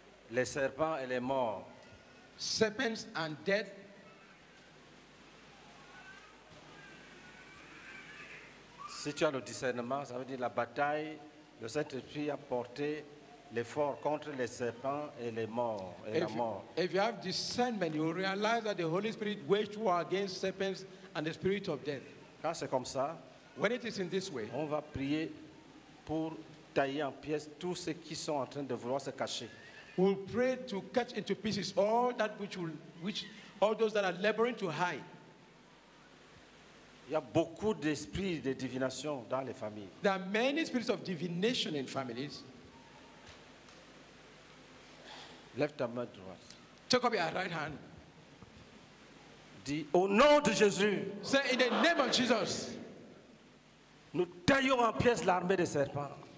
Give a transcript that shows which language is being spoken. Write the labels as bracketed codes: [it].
[fr] Les serpents et les morts. [en] Serpents and death. [fr] Si tu as le discernement, ça veut dire la bataille. Le Saint-Esprit a porté l'effort contre les serpents et les morts et [en] if [fr] la mort. [en] You, if you have discernment, you realize that the Holy Spirit waged war against serpents and the spirit of death. [fr] Quand c'est comme ça, [en] when it is in this way, [fr] on va prier pour tailler en pièces tous ceux qui sont en train de vouloir se cacher. [en] We'll pray to cut into pieces all that which all those that are laboring to hide. [fr] Il y a beaucoup d'esprits de divination dans les familles. [en] There are many spirits of divination in families. [fr] Lève ta main droite. [en] Take up your right hand. [fr] Dis au nom de Jésus. [en] Say in the name of Jesus. [fr] Nous taillons en pièces l'armée des serpents.